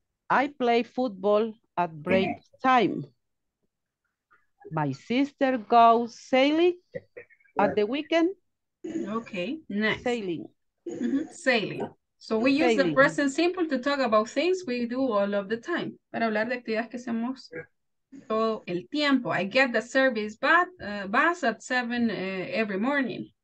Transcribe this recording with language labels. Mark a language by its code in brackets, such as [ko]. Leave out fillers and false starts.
[en] I play football at break time. My sister goes sailing at the weekend. Okay, next. Sailing. Mm-hmm. Sailing. So we use the present simple to talk about things we do all of the time. [es] Para hablar de actividades que hacemos todo el tiempo. [en] I get the service bus at 7 every morning.